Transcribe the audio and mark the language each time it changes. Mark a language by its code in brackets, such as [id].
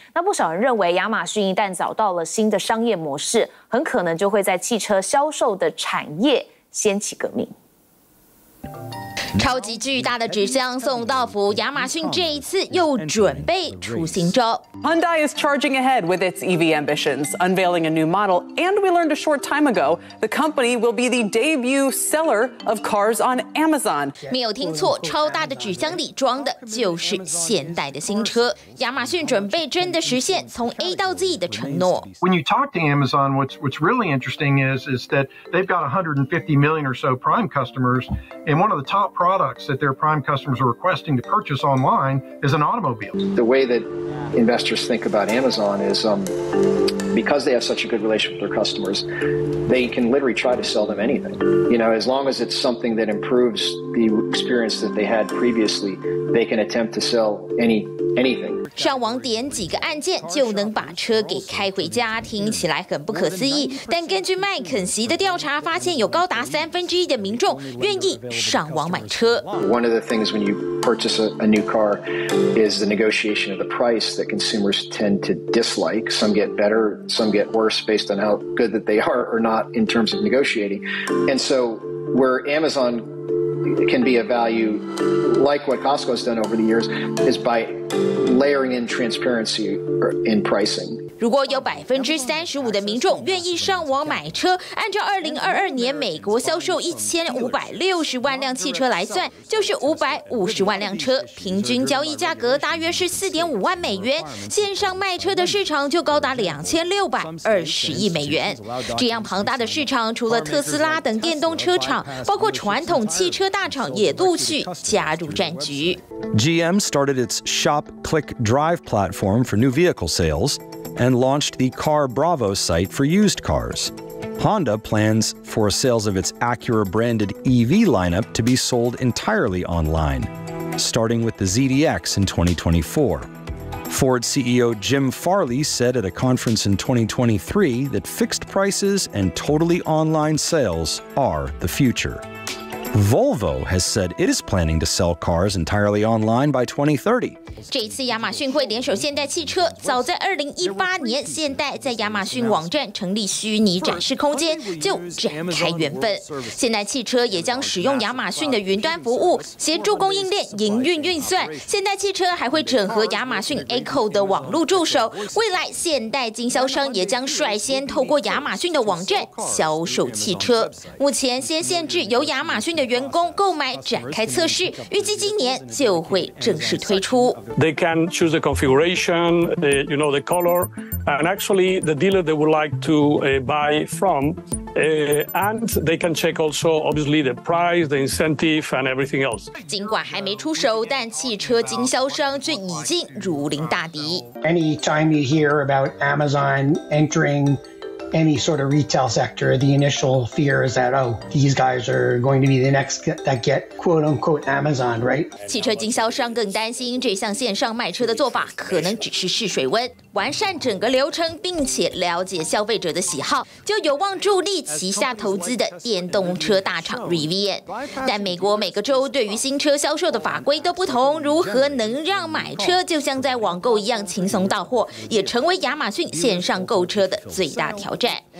[zh] 那不少人认为亚马逊一旦找到了新的商业模式，很可能就会在汽车销售的产业掀起革命。超级巨大的纸箱送到府，亚马逊这一次又准备出新招。 [en] Hyundai is charging ahead with its EV ambitions, unveiling a new model. And we learned a short time ago, the company will be the debut seller of cars on Amazon. [zh] 没有听错，超大的纸箱里装的就是现代的新车。亚马逊准备真的实现从 A 到 Z 的承诺。 [en] When you talk to Amazon, what's really interesting is that they've got 150 million or so Prime customers, and one of the top products that their Prime customers are requesting to purchase online is an automobile. The way that investors think about Amazon is because they have such a good relationship with their customers, they can literally try to sell them anything. You know, as long as it's something that improves the experience that they had previously, they can attempt to sell anything. [zh] 上网点几个按键就能把车给开回家，听起来很不可思议。但根据麦肯锡的调查发现，有高达1/3的民众愿意上网买车。 [en] One of the things when you purchase a new car is the negotiation of the price that consumers tend to dislike. Some get better, some get worse based on how good that they are or not in terms of negotiating. And so where Amazon can be a value like what Costco has done over the years is by layering in transparency in pricing. [zh] 如果有35%的民众愿意上网买车，按照2022年美国销售1560万辆汽车来算，就是550万辆车，平均交易价格大约是4.5万美元。线上卖车的市场就高达2620亿美元。这样庞大的市场，除了特斯拉等电动车厂，包括传统汽车大厂也陆续加入战局。 [en] GM started its Shop Click Drive platform for new vehicle sales. And launched the Car Bravo site for used cars. Honda plans for sales of its Acura branded EV lineup to be sold entirely online, starting with the ZDX in 2024. Ford CEO Jim Farley said at a conference in 2023 that fixed prices and totally online sales are the future. Volvo has said it is planning to sell cars entirely online by 2030. [zh] 这一次亚马逊会联手现代汽车，早在2018年，现代在亚马逊网站成立虚拟展示空间，就展开缘分。现代汽车也将使用亚马逊的云端服务，协助供应链营运运算。现代汽车还会整合亚马逊 Echo 的网络助手，未来现代经销商也将率先透过亚马逊的网站销售汽车。目前先限制由亚马逊的员工购买，展开测试，预计今年就会正式推出。 [en] They can choose the configuration, the, you know, the color, and actually the dealer they would like to buy from. And they can check also, obviously, the price, the incentive, and everything else. [zh] 尽管还没出手，但汽车经销商却已经如临大敌。 [en] Anytime you hear about Amazon entering any sort of retail sector, the initial fear is that, oh, these guys are going to be the next that get quote-unquote Amazon, right? [zh] 汽车经销商更担心这项线上卖车的做法可能只是试水温。完善整个流程并且了解消费者的喜好，就有望助力旗下投资的电动车大厂 Rivian。但美国每个州对于新车销售的法规都不同，如何能让买车就像在网购一样轻松到货，也成为亚马逊线上购车的最大挑战。